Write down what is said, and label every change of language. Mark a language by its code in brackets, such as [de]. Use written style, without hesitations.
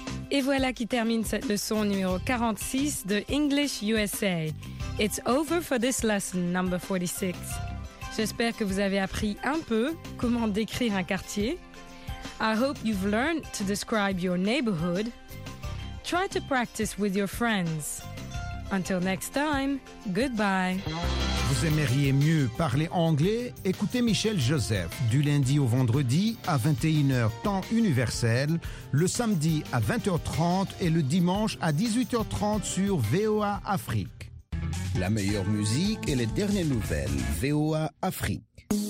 [fr] Et voilà qui termine cette leçon numéro 46 de English USA. [en] It's over for this lesson, number 46. [fr] J'espère que vous avez appris un peu comment décrire un quartier. [en] I hope you've learned to describe your neighborhood. Try to practice with your friends. Until next time, goodbye. [fr] Vous aimeriez mieux parler anglais? Écoutez Michel Joseph du lundi au vendredi à 21h temps universel, le samedi à 20h30 et le dimanche à 18h30 sur VOA Afrique. La meilleure musique et les dernières nouvelles, VOA Afrique.